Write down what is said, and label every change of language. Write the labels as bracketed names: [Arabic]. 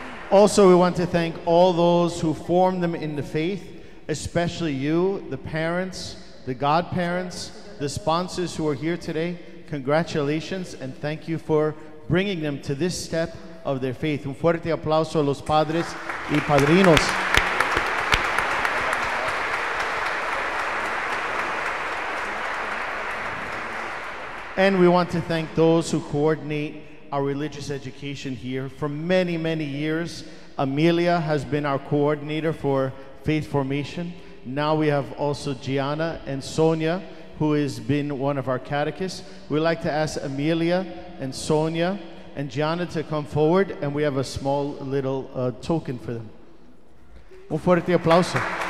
[English] Also, we want to thank all those who formed them in the faith, especially you, the parents, the godparents, the sponsors who are here today. Congratulations, and thank you for bringing them to this step of their faith. [Spanish] Un fuerte aplauso a los padres y padrinos. [English] And we want to thank those who coordinate our religious education here for many, many years. Amelia has been our coordinator for faith formation. Now we have also Gianna and Sonia, who has been one of our catechists. We'd like to ask Amelia and Sonia and Gianna to come forward, and we have a small little token for them. [Spanish] Un fuerte aplauso.